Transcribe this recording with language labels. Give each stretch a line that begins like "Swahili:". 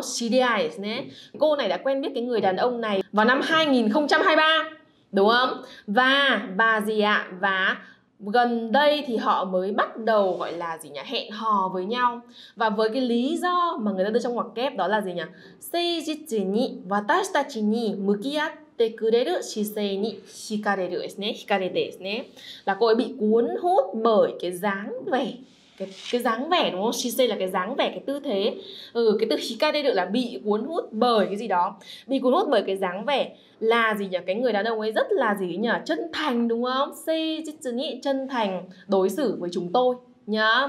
Vietnamese: CDI nhé. Cô này đã quen biết cái người đàn ông này vào năm 2023, đúng không? Và gì ạ? Và gần đây thì họ mới bắt đầu gọi là gì nhỉ? Hẹn hò với nhau. Và với cái lý do mà người ta đưa trong ngoặc kép đó là gì nhỉ?
Japanese: 誠実に私たちに向き合って てくれる姿勢に惹かれるですね。惹かれてですね。
Vietnamese: Là cô ấy bị cuốn hút bởi cái dáng vẻ. Cái dáng vẻ đúng không? Shisei là cái dáng vẻ, cái tư thế. Ừ, cái từ hikareru là bị cuốn hút bởi cái gì đó. Bị cuốn hút bởi cái dáng vẻ là gì nhỉ? Cái người đàn ông ấy rất là gì nhỉ? Chân thành đúng không? Seijitsuni, chân thành đối xử với chúng tôi nhá.